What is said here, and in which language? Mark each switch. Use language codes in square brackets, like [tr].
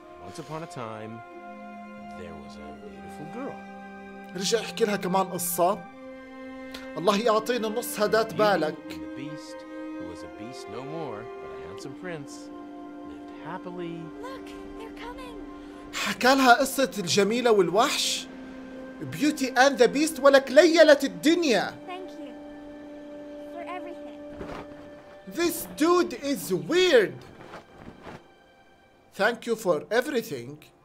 [en] Once upon a time, there was a beautiful girl. [ar] رجع احكي لها كمان قصة. الله يعطينا نص هدات بالك. [en] The beast who was a beast no more, but a handsome prince, lived happily. Look, they're coming. [ar] حكى لها قصة الجميلة والوحش. Beauty and the Beast ولك ليلت الدنيا. [en] Thank you for everything. This dude is weird. Thank you for everything.